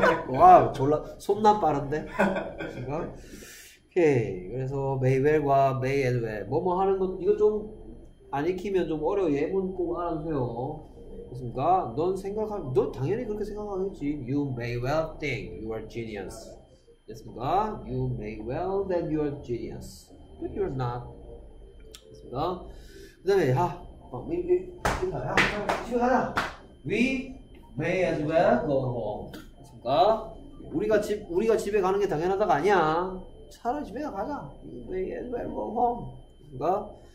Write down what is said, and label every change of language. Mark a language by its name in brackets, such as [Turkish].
[Korean] 와, 졸라 손나 빠른데. 오케이. 그래서 may well과 may as well 뭐뭐 하는 건 이거 좀 안 익히면 좀 어려워. 예문 꼭 알아주세요. 그렇습니까? 넌 생각하, 넌 당연히 그렇게 생각하겠지. [English] You may well think you are genius. [Korean] 됐습니까? [English] You may well that you are genius, but you are not. [Korean] 됐습니까? 그 다음에, 하, 어, 미, 미, 하, 지금 하자. [English] We may as well go home. [Korean] 됐습니까? 우리가 집에 가는 게 당연하다가 아니야. 차라리 집에 가자. [English] We may as well go home. [Korean] 됐습니까?